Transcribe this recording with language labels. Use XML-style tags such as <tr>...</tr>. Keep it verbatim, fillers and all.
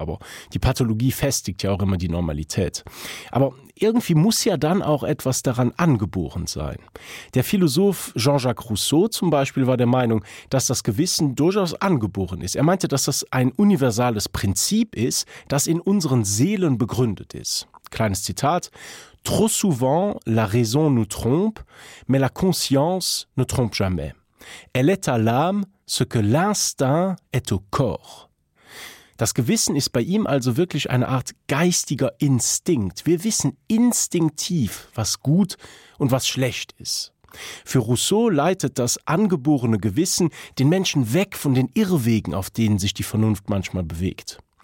<de>Aber die Pathologie festigt ja auch immer die Normalität. Aber irgendwie muss ja dann auch etwas daran angeboren sein. Der Philosoph Jean-Jacques Rousseau zum Beispiel war der Meinung, dass das Gewissen durchaus angeboren ist. Er meinte, dass das ein universales Prinzip ist, das in unseren Seelen begründet ist. Kleines Zitat:</de> <fr>Trop souvent la raison nous trompe, mais la conscience ne trompe jamais. Elle est à l'âme, ce que l'instinct est au corps.</fr> <de>Das Gewissen ist bei ihm also wirklich eine Art geistiger Instinkt. Wir wissen instinktiv, was gut und was schlecht ist. Für Rousseau leitet das angeborene Gewissen den Menschen weg von den Irrwegen, auf denen sich die Vernunft manchmal bewegt.</de>